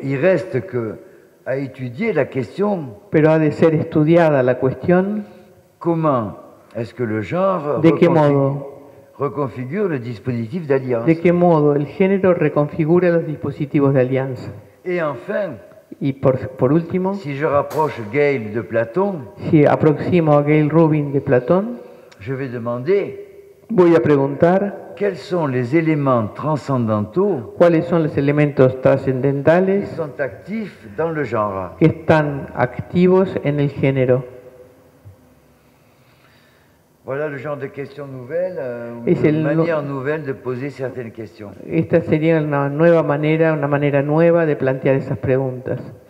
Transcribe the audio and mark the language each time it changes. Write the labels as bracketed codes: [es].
[fr] il reste que à étudier la question. [es] Pero ha de ser estudiada la cuestión. [fr] Comment est-ce que le genre reconfigure le dispositif d'alliance? [es] ¿De qué modo el género reconfigura los dispositivos de alianza? [fr] Et enfin, [es] y por último, [fr] si je rapproche Gale de Platon, [es] si aproximo a Gale Rubin de Platón, [fr] je vais demander. [es] Voy a preguntar. [fr] Quels sont les éléments transcendentaux? [es] ¿Cuáles son los elementos trascendentales? [fr] Qui sont actifs dans le genre? [es] Que están activos en el género. [fr] Voilà le genre de questions nouvelles, une manière nouvelle de poser certaines questions. [es] Esta sería una nueva manera, una manera nueva de plantear esas preguntas.